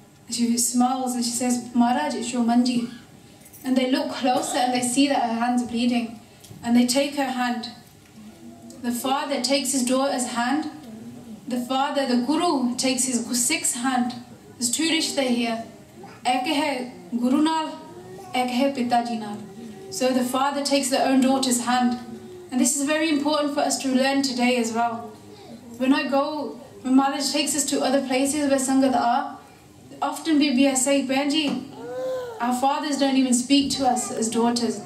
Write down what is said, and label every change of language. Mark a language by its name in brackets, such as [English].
[English] She smiles and she says, Maharaj, it's your manji. And they look closer and they see that her hand's bleeding. And they take her hand. The father takes his daughter's hand. The father, the guru, takes his Sikh's hand. There's two rishtas here. [Punjabi] ਇੱਕ ਹੈ ਗੁਰੂ ਨਾਲ, ਇੱਕ ਹੈ ਪਿਤਾ ਜੀ ਨਾਲ। [English] So the father takes their own daughter's hand. And this is very important for us to learn today as well. When Maharaj takes us to other places where Sangat are, often Bibi say, Benji, our fathers don't even speak to us as daughters.